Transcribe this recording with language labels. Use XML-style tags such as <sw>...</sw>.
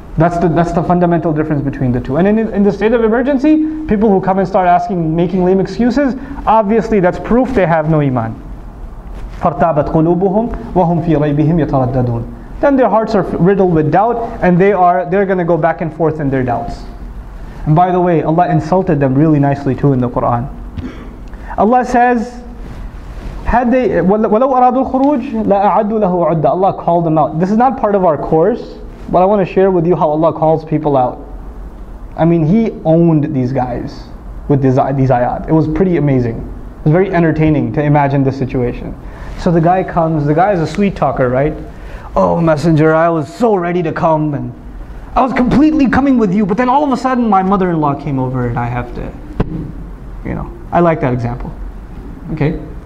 <en>That's the fundamental difference between the two. And in the state of emergency, people who come and start asking, making lame excuses, obviously that's proof they have no iman.</en> <ar>فَرْتَابَتْ قُلُوبُهُمْ وَهُمْ فِي رَيْبِهِمْ يَتَرَدَّدُونَ.</ar> <en>then their hearts are riddled with doubt, and they're going to go back and forth in their doubts. And by the way, Allah insulted them really nicely too in the Quran. Allah says, had they</en> <ar>وَلَوْ أَرَادُوا الْخُرُوجِ لَأَعَدُّوا لَهُ عُدَّةً.</ar> <en>Allah called them out. This is not part of our course, but I want to share with you how Allah calls people out. I mean, He owned these guys with these ayat. It was pretty amazing. It was very entertaining to imagine this situation. So the guy comes, the guy is a sweet talker, right? Oh, messenger, I was so ready to come, and I was completely coming with you, but then all of a sudden my mother-in-law came over and I have to, you know. I like that example. Okay.</en>